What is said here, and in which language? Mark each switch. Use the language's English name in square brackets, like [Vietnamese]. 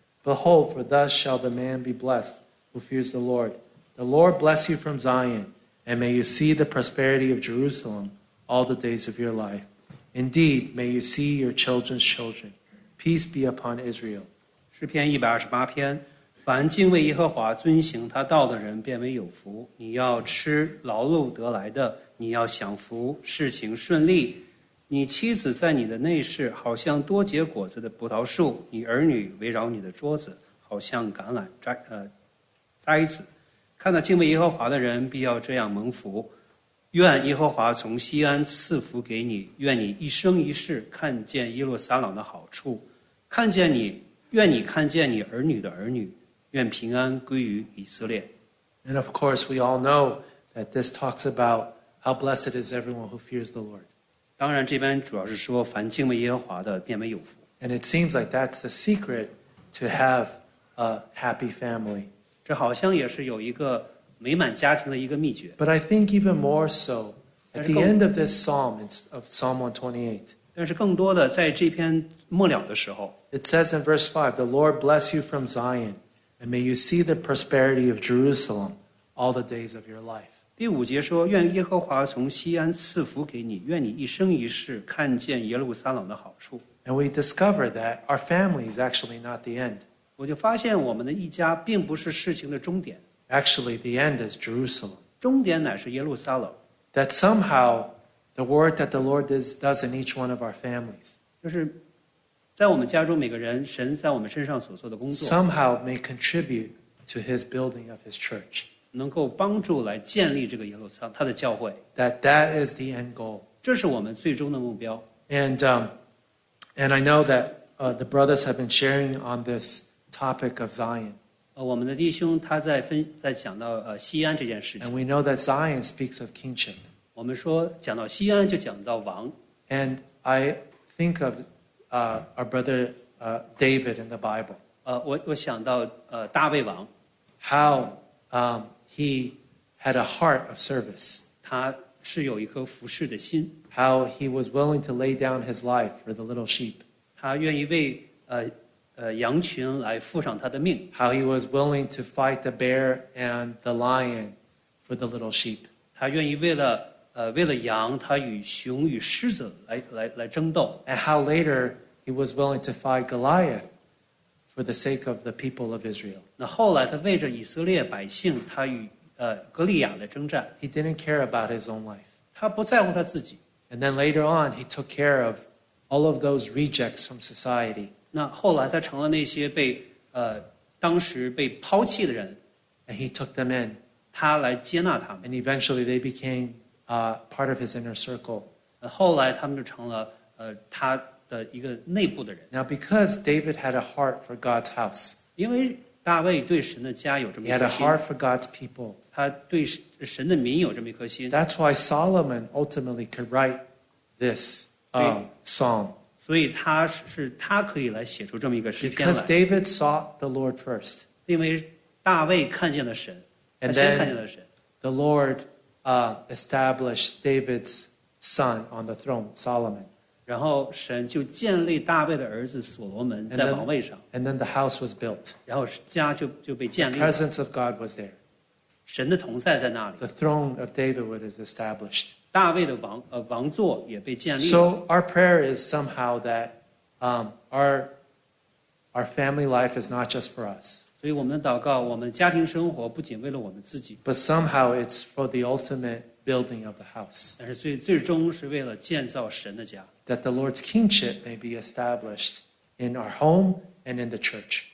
[English] Behold, for thus shall the man be blessed who fears the Lord. The Lord bless you from Zion, and may you see the prosperity of Jerusalem all the days of your life. Indeed, may you see your children's children. Peace be upon Israel. [Chinese] 诗篇128篇。凡敬畏耶和华遵行他道的人便为有福，你要吃劳碌得来的，你要享福，事情顺利。你妻子在你的内室好像多结果子的葡萄树，你儿女围绕你的桌子好像橄榄摘子。看到敬畏耶和华的人必要这样蒙福。愿耶和华从西安赐福给你，愿你一生一世看见耶路撒冷的好处，看见你，愿你看见你儿女的儿女，愿平安归于以色列。 [English] And of course we all know that this talks about how blessed is everyone who fears the Lord. [Chinese] 当然这边主要是说凡敬畏耶和华的便为有福。 [English] And it seems like that's the secret to have a happy family. [Chinese] 这好像也是有一个美满家庭的一个秘诀。 [English] But I think even more so, at the end of this psalm, it's of Psalm 128. [Chinese] 但是更多的在这篇末了的时候。 [English] It says in verse 5, the Lord bless you from Zion. And may you see the prosperity of Jerusalem all the days of your life. [Chinese] 第五节说，愿耶和华从西安赐福给你，愿你一生一世看见耶路撒冷的好处。 [English] And we discover that our family is actually not the end. [Chinese] 我就发现我们的一家并不是事情的终点。 [English] Actually, the end is Jerusalem. [Chinese] 终点乃是耶路撒冷。 [English] That somehow the work that the Lord does in each one of our families. [Chinese] 就是在我们家中每个人神在我们身上所做的工作 [English] somehow may contribute to his building of his church [Chinese] 能够帮助来建立这个耶路撒冷他的教会 [English] that is the end goal [Chinese] 这是我们最终的目标 [English] and I know that the brothers have been sharing on this topic of Zion [Chinese] 我们的弟兄他在讲到西安这件事情 [English] and we know that Zion speaks of kingship [Chinese] 我们说讲到西安就讲到王 [English] and I think ofour brother David in the Bible. [Chinese] 我想到大卫王 [English] How he had a heart of service. [Chinese] 他是有一颗服侍的心 [English] How he was willing to lay down his life for the little sheep. [Chinese] 他愿意为羊群来付上他的命 [English] How he was willing to fight the bear and the lion for the little sheep. [Chinese] 他愿意为了羊，他与熊与狮子来争斗。 [English] And how later he was willing to fight Goliath for the sake of the people of Israel. [Chinese] 那后来他为着以色列百姓，他与哥利亚的征战。 [English] He didn't care about his own life. [Chinese] 他不在乎他自己。 [English] And then later on he took care of all of those rejects from society. [Chinese] 那后来他成了那些被当时被抛弃的人。 [English] And he took them in. [Chinese] 他来接纳他们。 [English] And eventually they became. Part of his inner circle. [Chinese] 后来他们就成了他的一个内部的人。 [English] Now because David had a heart for God's house. [Chinese] 因为大卫对神的家有这么一颗心。 [English] He had a heart for God's people. [Chinese] 他对神的民有这么一颗心。 [English] That's why Solomon ultimately could write this psalm. [Chinese] 所以他可以来写出这么一个诗篇来。 [English] Because David sought the Lord first. [Chinese] 因为大卫看见了神，他先看见了神。 [English] The Lord. Established David's son on the throne, Solomon. [Chinese] 然后神就建立大卫的儿子所罗门在王位上。 [English] And then the house was built. [Chinese] 然后家就被建立了。 [English] The presence of God was there. [Chinese] 神的同在在那里。 [English] The throne of David was established. [Chinese] 大卫的王座也被建立了。 [English] So our prayer is somehow that our family life is not just for us. [Chinese] 所以我们的祷告，我们家庭生活不仅为了我们自己 [English] ，But somehow it's for the ultimate building of the house. [Chinese] 但是最终是为了建造神的家。 [English] That the Lord's kingship may be established in our home and in the church.